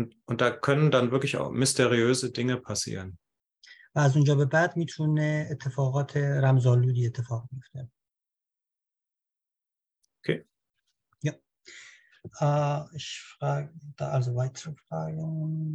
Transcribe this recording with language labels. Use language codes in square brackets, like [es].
[de] Und da können dann wirklich auch mysteriöse Dinge passieren. [fa] و از اونجا به بعد میتونه اتفاقات رمزآلودی اتفاق بیفته. [de] Okay. Ich frage da also weitere Fragen.